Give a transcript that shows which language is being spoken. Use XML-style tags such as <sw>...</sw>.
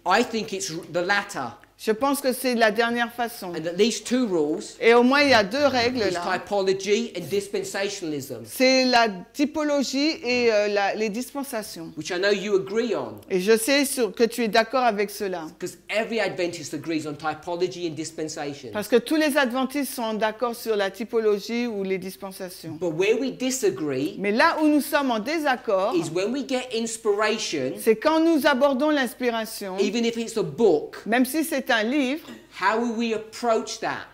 <en>I think it's the latter.</en> <fr>Je pense que c'est la dernière façon.</fr> <en>And at least two rules.</en> <fr>Et au moins il y a deux règles là.</fr> <en>Typology and dispensationalism.</en> <fr>C'est la typologie et les dispensations.</fr> <en>Which I know you agree on.</en> <fr>Et je sais que tu es d'accord avec cela.</fr> <en>Because every Adventist agrees on typology and dispensation.</en> <fr>Parce que tous les Adventistes sont d'accord sur la typologie ou les dispensations.</fr> <en>But where we disagree.</en> <fr>Mais là où nous sommes en désaccord.</fr> <en>Is when we get inspiration.</en> <fr>C'est quand nous abordons l'inspiration.</fr> <en>Even if it's a book.</en> <fr>Même si c'est un livre.</fr> <en>How will we approach that?</en>